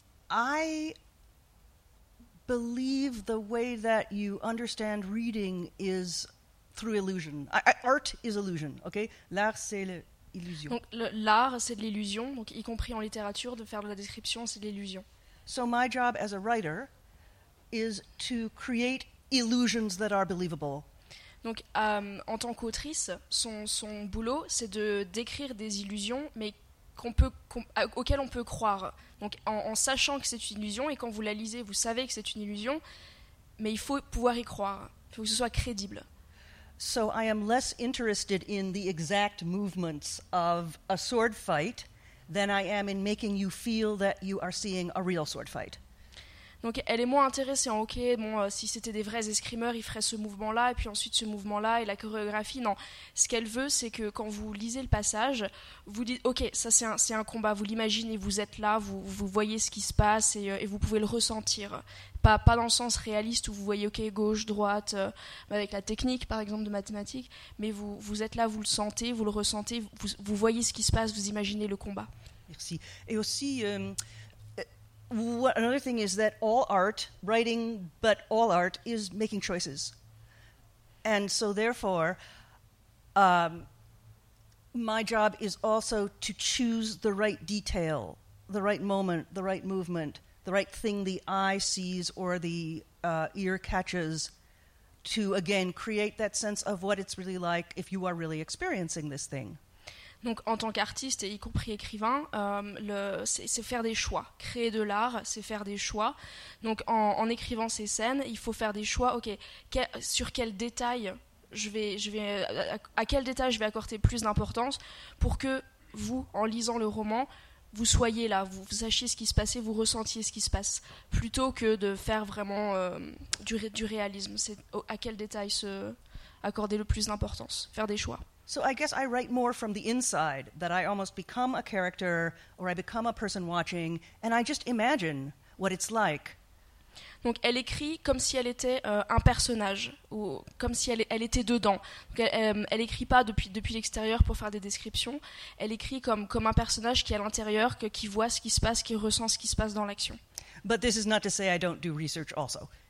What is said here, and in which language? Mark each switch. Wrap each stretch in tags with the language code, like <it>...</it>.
<en>I believe the way that you understand reading is through illusion. Art is illusion, okay?</en> <fr>L'art, c'est l'illusion. Donc, l'art, c'est de l'illusion. Donc, y compris en littérature, de faire de la description, c'est de l'illusion.</fr> <en>So my job as a writer is to create illusions that are believable.</en> <fr>Donc, en tant qu'autrice, son boulot, c'est de décrire des illusions, mais auxquelles on peut croire. Donc, en sachant que c'est une illusion, et quand vous la lisez, vous savez que c'est une illusion, mais il faut pouvoir y croire. Il faut que ce soit crédible.</fr> <en>So I am less interested in the exact movements of a sword fight than I am in making you feel that you are seeing a real sword fight.</en> <fr>Donc elle est moins intéressée en, ok, bon, si c'était des vrais escrimeurs, ils feraient ce mouvement-là, et puis ensuite ce mouvement-là, et la chorégraphie. Non, ce qu'elle veut, c'est que quand vous lisez le passage, vous dites, ok, ça c'est un combat, vous l'imaginez, vous êtes là, vous voyez ce qui se passe, et vous pouvez le ressentir. Pas dans le sens réaliste où vous voyez, ok, gauche, droite, avec la technique, par exemple, de mathématiques, mais vous êtes là, vous le sentez, vous le ressentez, vous voyez ce qui se passe, vous imaginez le combat. Merci. Et aussi...</fr> <en>another thing is that all art, writing, but all art, is making choices. And so therefore, my job is also to choose the right detail, the right moment, the right movement, the right thing the eye sees or the ear catches, to again create that sense of what it's really like if you are really experiencing this thing.</en> <fr>Donc, en tant qu'artiste, et y compris écrivain, c'est faire des choix. Créer de l'art, c'est faire des choix. Donc, en écrivant ces scènes, il faut faire des choix. Ok, sur quel détail je vais accorder plus d'importance pour que vous, en lisant le roman, vous soyez là, vous sachiez ce qui se passait, vous ressentiez ce qui se passe, plutôt que de faire vraiment du réalisme. C'est à quel détail se accorder le plus d'importance, faire des choix.</fr> <en>So I guess I write more from the inside, that I almost become a character or I become a person watching and I just imagine what it's like.</en> <fr>Donc elle écrit comme si elle était un personnage ou comme si elle était dedans. Donc elle écrit pas depuis l'extérieur pour faire des descriptions, elle écrit comme un personnage qui est à l'intérieur, qui voit ce qui se passe, qui ressent ce qui se passe dans l'action.</fr> <en>But this is not to say I don't do research also.</en>